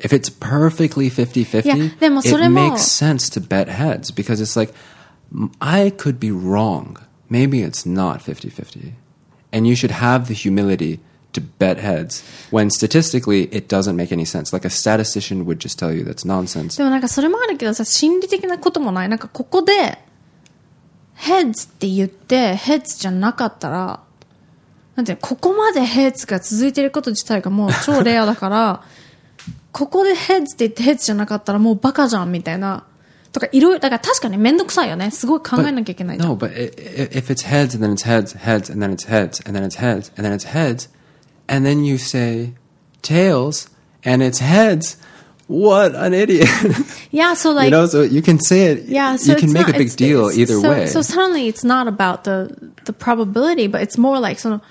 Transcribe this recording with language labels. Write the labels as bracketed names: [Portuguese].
[English] If it's perfectly 50-50, it makes sense to bet heads because it's like, I could be wrong. Maybe it's not 50-50. And you should have the humility to bet heads when statistically it doesn't make any sense. Like a statistician would just tell you that's nonsense. [Japanese] でもなんかそれもあるけどさ、心理的なこともない。なんかここで、heads って言って、heads じゃなかったら、なんてここまでヘッズが続いてること自体がもう超レアだからここでヘッズって言ってヘッズじゃなかったらもうバカじゃんみたいなとかいろいろだから確かにめんどくさいよねすごい考えなきゃいけないじゃん [English] No, but if it's heads and then it's heads, heads and then it's heads and then it's heads and then it's heads and then you say tails and it's heads What an idiot Yeah, so like You know, so you can say it yeah, so You can make not, a big deal either so, way So suddenly it's not about the probability But it's more like その